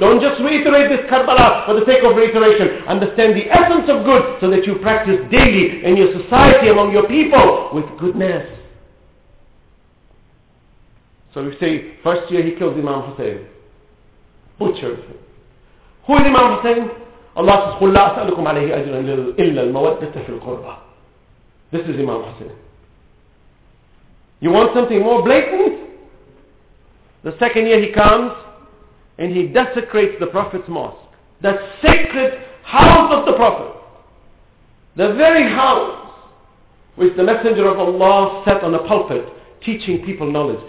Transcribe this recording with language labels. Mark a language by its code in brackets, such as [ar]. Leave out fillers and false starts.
[en] Don't just reiterate this Karbala for the sake of reiteration. Understand the essence of good so that you practice daily in your society among your people with goodness. So we say, first year he killed Imam Hussein. Butchered him. Who is Imam Hussein? Allah says, [ar] قُلْ لَا أَسْأَلُكُمْ عَلَيْهِ أَجْرًا إِلَّا الْمَوَدَّةَ فِي الْقُرْبَةِ. [en] This is Imam Hussein. You want something more blatant? The second year he comes and he desecrates the Prophet's mosque. The sacred house of the Prophet. The very house which the Messenger of Allah sat on a pulpit teaching people knowledge.